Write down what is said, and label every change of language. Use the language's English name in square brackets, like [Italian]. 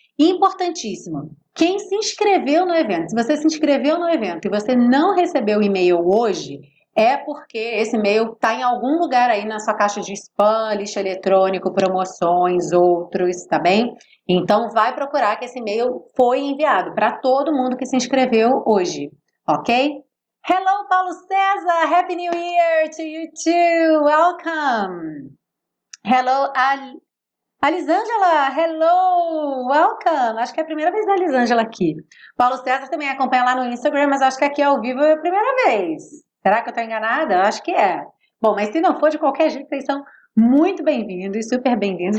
[Portuguese] Importantíssimo. Quem se inscreveu no evento, se você se inscreveu no evento e você não recebeu o e-mail hoje, é porque esse e-mail está em algum lugar aí na sua caixa de spam, lixo eletrônico, promoções, outros, tá bem? Então vai procurar que esse e-mail foi enviado para todo mundo que se inscreveu hoje, ok? [English] Hello, Paulo César! Happy New Year to you too! Welcome! Hello, [Portuguese] Alisângela, [English] hello, welcome, [Portuguese] acho que é a primeira vez da Alisângela aqui. Paulo César também acompanha lá no Instagram, mas acho que aqui ao vivo é a primeira vez. Será que eu estou enganada? Acho que é. Bom, mas se não for, de qualquer jeito, vocês são muito bem-vindos, super bem-vindos.